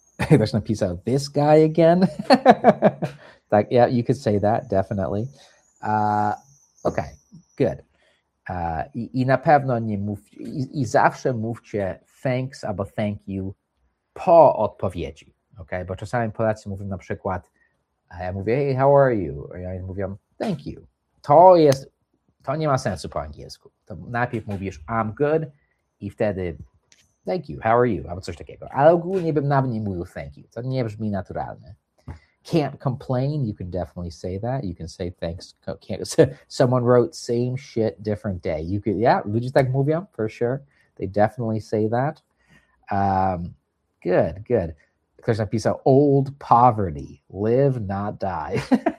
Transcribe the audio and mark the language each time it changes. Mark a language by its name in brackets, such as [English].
[English] There's a piece of this guy again. Like, yeah, you could say that, definitely. Okay, good. [Polish] I na pewno nie mówcie, i zawsze mówcie thanks albo [English] thank you [Polish] po odpowiedzi. Okay, bo czasami Polacy mówią na przykład, a ja mówię, [English] hey, how are you? [Polish] A ja mówię, [English] thank you. [Polish] to jest, to nie ma sensu po angielsku. To najpierw mówisz [English] I'm good [Polish] i wtedy [English] thank you, how are you, [Polish] albo coś takiego. Ale ogólnie bym nawet nie mówił [English] thank you. [Polish] To nie brzmi naturalnie. [English] Can't complain, you can definitely say that. You can say thanks. Someone wrote same shit, different day. You could, yeah, [Polish] ludzie tak mówią, [English] for sure. They definitely say that. Good, good. [Polish] Ktoś napisał, [English] old poverty, live, not die.